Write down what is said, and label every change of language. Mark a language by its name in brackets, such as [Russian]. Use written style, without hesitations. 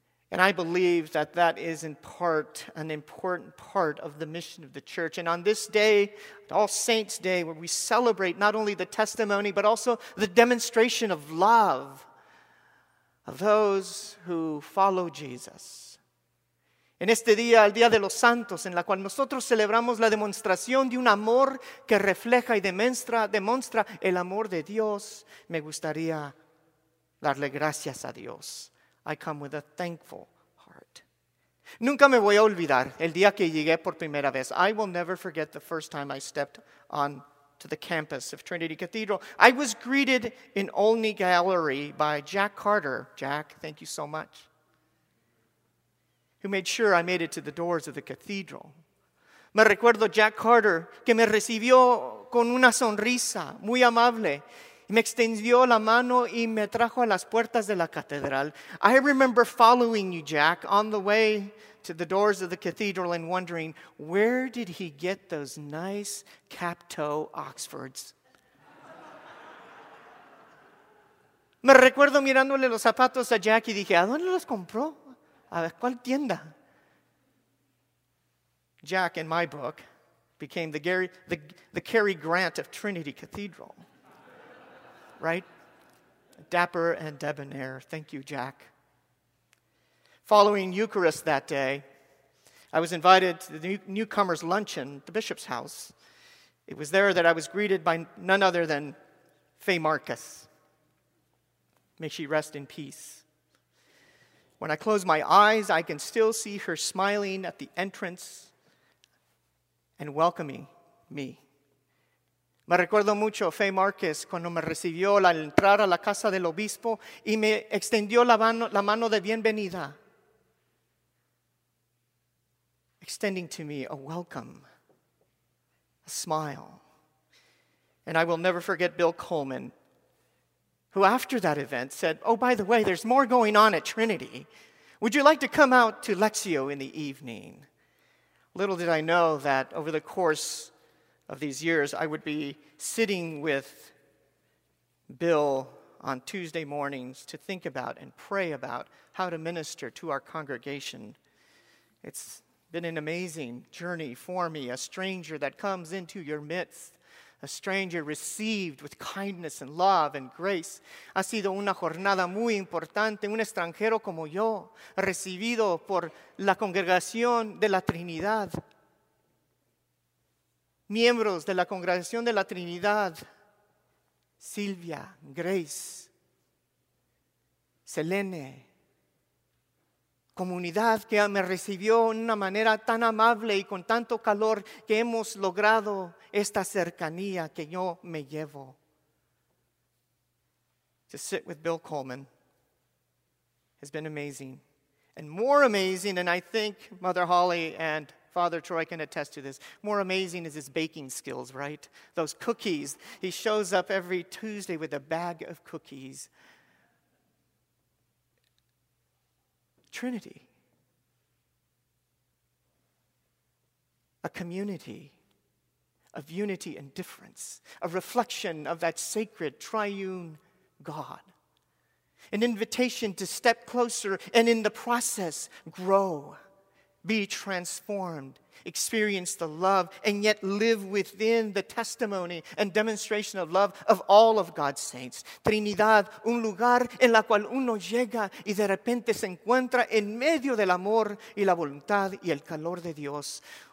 [English] And I believe that that is in part an important part of the mission of the church. And on this day, All Saints Day, where we celebrate not only the testimony but also the demonstration of love of those who follow Jesus. [Spanish] En este día, el Día de los Santos, en la cual nosotros celebramos la demostración de un amor que refleja y demuestra el amor de Dios, me gustaría darle gracias a Dios. [English] I come with a thankful heart. [Spanish] Nunca me voy a olvidar el día que llegué por primera vez. [English] I will never forget the first time I stepped onto the campus of Trinity Cathedral. I was greeted in Olney Gallery by Jack Carter. Jack, thank you so much. Who made sure I made it to the doors of the cathedral. [Spanish] Me recuerdo Jack Carter que me recibió con una sonrisa muy amable. Me extendió la mano y me trajo a las puertas de la catedral. [English] I remember following you, Jack, on the way to the doors of the cathedral and wondering, where did he get those nice cap-toe Oxfords? [Spanish] Me recuerdo mirándole los zapatos a Jack y dije, ¿a dónde los compró? ¿A cuál tienda? [English] Jack, in my book, became the Cary Grant of Trinity Cathedral. Right? Dapper and debonair. Thank you, Jack. Following Eucharist that day, I was invited to the newcomer's luncheon at the bishop's house. It was there that I was greeted by none other than Faye Marcus. May she rest in peace. When I close my eyes, I can still see her smiling at the entrance and welcoming me. [Spanish] Me recuerdo mucho Faye Marcus cuando me recibió al entrar a la casa del obispo y me extendió la mano de bienvenida. [English] Extending to me a welcome, a smile. And I will never forget Bill Coleman, who after that event said, oh, by the way, there's more going on at Trinity. Would you like to come out to Lectio in the evening? Little did I know that over the course of these years, I would be sitting with Bill on Tuesday mornings to think about and pray about how to minister to our congregation. It's been an amazing journey for me, a stranger that comes into your midst, a stranger received with kindness and love and grace. [Spanish] Ha sido una jornada muy importante, un extranjero como yo, recibido por la congregación de la Trinidad. Miembros de la congregación de la Trinidad, Silvia, Grace, Selene, comunidad que me recibió en una manera tan amable y con tanto calor que hemos logrado esta cercanía que yo me llevo. [English] To sit with Bill Coleman has been amazing. And more amazing, and I think Mother Holly and Father Troy can attest to this, more amazing is his baking skills, right? Those cookies. He shows up every Tuesday with a bag of cookies. Trinity, a community of unity and difference, a reflection of that sacred triune God, an invitation to step closer and in the process grow, be transformed, experience the love, and yet live within the testimony and demonstration of love of all of God's saints. [Spanish] Trinidad, un lugar en la cual uno llega y de repente se encuentra en medio del amor y la voluntad y el calor de Dios.